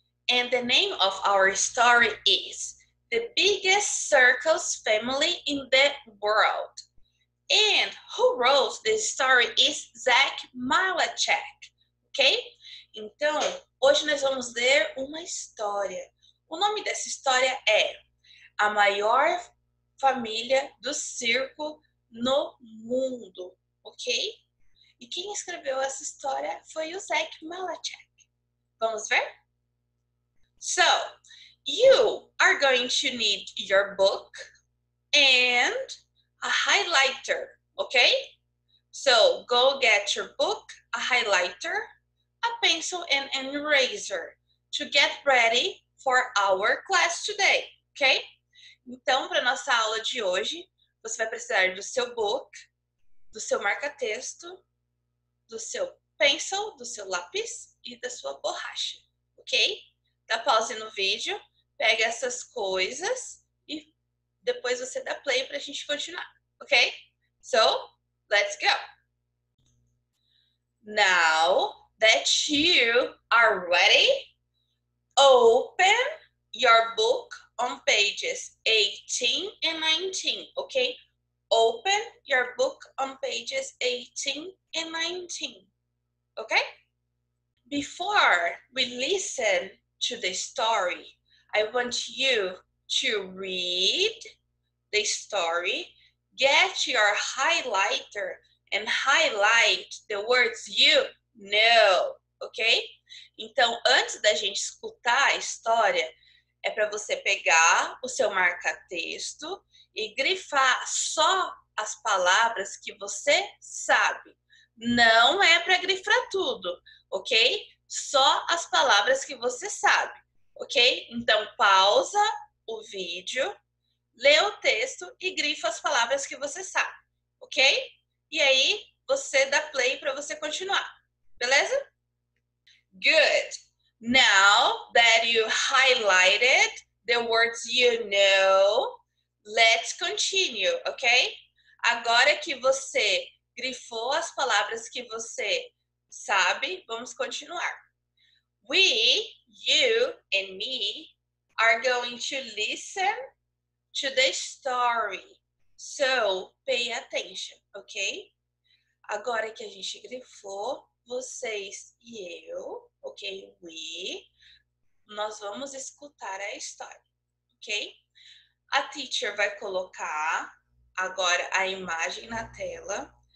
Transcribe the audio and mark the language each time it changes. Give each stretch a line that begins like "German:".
English: And the name of our story is The Biggest Circus Family in the World. And who wrote this story is Zach Malachek, ok?
Portuguese: Então, hoje nós vamos ler uma história. O nome dessa história é A Maior Família do Circo no Mundo, ok? E quem escreveu essa história foi o Zach Malachek. Vamos ver?
English: So, you are going to need your book and a highlighter, okay? So, go get your book, a highlighter, a pencil, and an eraser to get ready for our class today, okay?
Portuguese: Então, para nossa aula de hoje, você vai precisar do seu book, do seu marca-texto, do seu pencil, do seu lápis e da sua borracha, ok? Dá pause no vídeo, pega essas coisas e depois você dá play para a gente continuar, ok?
English: So, let's go! Now that you are ready, open your book on pages 18 and 19, ok? Open your book on pages 18 and 19, ok? Before we listen to the story, I want you to read the story, get your highlighter, and highlight the words you know, ok?
Portuguese: Então, antes da gente escutar a história, é para você pegar o seu marca-texto e grifar só as palavras que você sabe. Não é para grifar tudo, ok? Só as palavras que você sabe, ok? Então, pausa o vídeo, lê o texto e grifa as palavras que você sabe, ok? E aí, você dá play para você continuar, beleza?
English: Good. Now that you highlighted the words you know, let's continue, ok?
Portuguese: Agora que você grifou as palavras que você sabe, vamos continuar.
English: We, you, and me are going to listen to the story. So, pay attention, ok?
Portuguese: Agora que a gente grifou, vocês e eu, ok? We, nós vamos escutar a história, ok? A teacher vai colocar agora a imagem na tela.